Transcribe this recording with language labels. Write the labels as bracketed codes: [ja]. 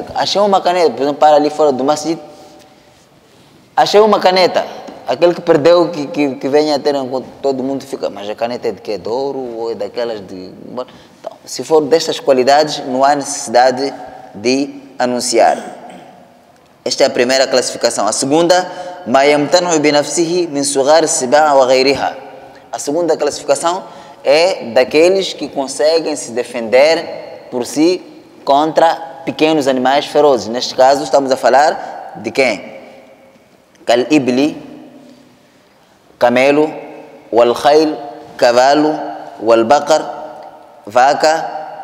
[pt] Achei uma caneta, por exemplo, para ali fora do masjid. Achei uma caneta. Aquele que perdeu, que vem a ter, todo mundo fica, mas a caneta é de quê? De ouro? Ou é daquelas de... Então, se for destas qualidades, não há necessidade de anunciar. Esta é a primeira classificação. A segunda, [ar] مَا يَمْتَنُعُ بِنَفْسِهِ مِنْ سُغَارِ السِّبَاعَ وَغَيْرِهَا. [pt] A segunda classificação é daqueles que conseguem se defender por si contra pequenos animais ferozes. Neste caso, estamos a falar de quem? Cal ibli, camelo, wal khayl, cavalo, wal baqar, vaca.